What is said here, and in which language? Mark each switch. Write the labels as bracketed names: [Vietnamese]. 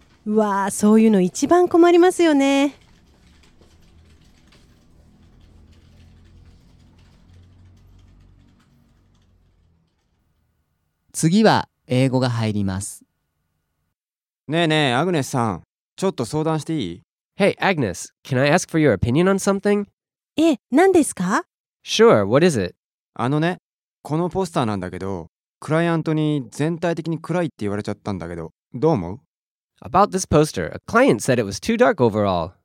[Japanese] うわあ、そういうの一番困りますよね。次は英語が入ります。ねえねえ、アグネスさん、ちょっと相談していい？ [English] Hey, Agnes, can I ask for your opinion on something? [Japanese] え、何ですか？ [English] Sure, what is it? [Japanese] あのね、このポスターなんだけど、クライアントに全体的に暗いって言われちゃったんだけど、どう思う？ [English] About this poster, a client said it was too dark overall.